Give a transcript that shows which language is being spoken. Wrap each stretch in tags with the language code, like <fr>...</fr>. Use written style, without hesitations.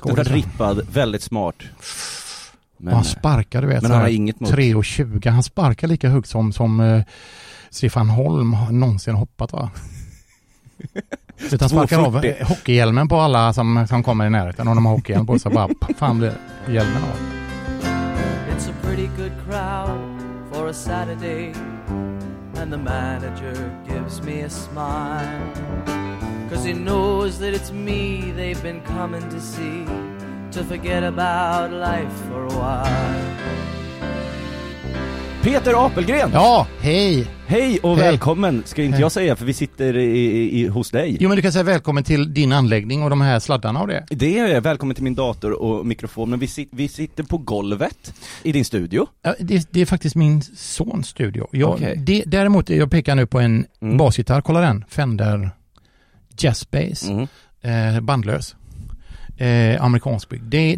<sv>Fruktansvärt rippad, väldigt smart. Men han sparkar, du vet, men han har inget mot. 3,20, han sparkar lika högt som Stefan Holm någonsin hoppat, va? Utan sparkar 240. Av hockeyhjälmen på alla som kommer i närheten. Och de har hockeyhjälm på sig, bara fan blir hjälmen av.</sv> <en>It's a pretty good crowd for a Saturday, and the manager gives me a smile, 'cause he knows that it's me they've been coming to see, to forget about life for a while.</en> <sv>Peter Apelgren! Ja, hej! Hej och hej. Välkommen, ska inte jag säga, för vi sitter i hos dig. Jo, men du kan säga välkommen till din anläggning och de här sladdarna och det. Det är välkommen till min dator och mikrofon, men vi sitter på golvet i din studio. Ja, det är faktiskt min sons studio. Däremot, jag pekar nu på en basgitarr, kolla den, Fender Jazz Bass, bandlös, amerikansk bygg.</sv>